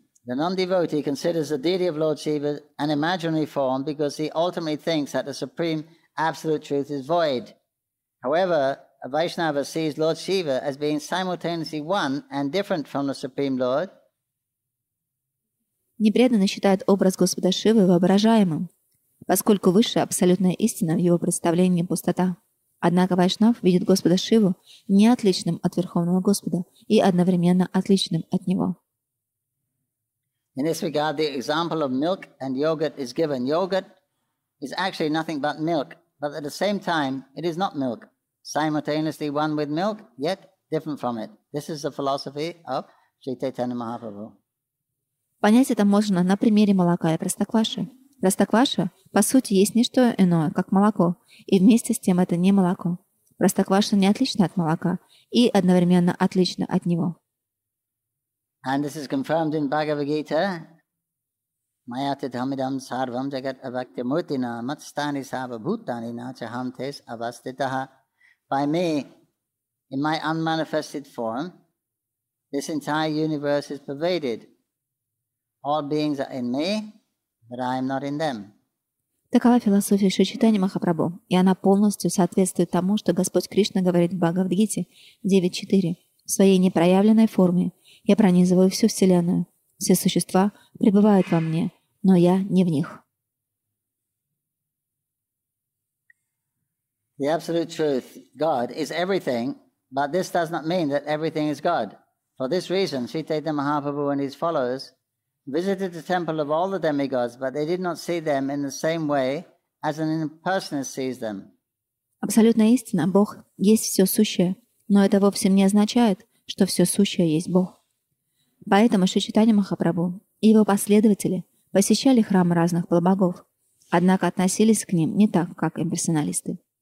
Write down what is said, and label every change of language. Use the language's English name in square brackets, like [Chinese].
[English] The non-devotee considers the deity of Lord Shiva an imaginary form because he ultimately thinks that the supreme absolute truth is void. However, a Vaishnava sees Lord Shiva as being simultaneously one and different from the supreme Lord. [Russian] Непреданный считает образ Господа Шивы воображаемым, поскольку высшая абсолютная истина в его представлении пустота. Однако Вайшнав видит Господа Шиву не отличным от Верховного Господа и одновременно отличным от него. [English] In this regard, the example of milk and yogurt is given. Yogurt is actually nothing but milk, but at the same time, it is not milk. Simultaneously one with milk, yet different from it. This is the philosophy of Sri Chaitanya Mahaprabhu. [Russian] Понять это можно на примере молока и простокваши. Простокваша, по сути, есть не что иное, как молоко, и вместе с тем это не молоко. Простокваша не отлична от молока и одновременно отлична от него. [English] And this is confirmed in Bhagavad Gita. [Sanskrit] Mayatidhamidam sarvam jagat avaktimurtina matstani sarva bhutani na chahantes avastitaha. [English] By me, in my unmanifested form, this entire universe is pervaded. All beings are in me, but I am not in them. [Russian] Такова философия Шри Чайтаньи Махапрабху, и она полностью соответствует тому, что Господь Кришна говорит в Бхагавад Гите 9.4 в своей непроявленной форме. Я пронизываю всю Вселенную. Все существа пребывают во мне, но я не в них. [English] The absolute truth, God, is everything, but this does not mean that everything is God. For this reason, Sri Chaitanya Mahaprabhu and his followers visited the temple of all the demigods, but they did not see them in the same way as an impersonalist sees them. [Russian] Абсолютная истина, Бог, есть все сущее, но это вовсе не означает, что все сущее есть Бог. Поэтому Шри Чайтанья Махапрабху и его последователи посещали храмы разных полубогов, однако относились к ним не так, как имперсоналисты.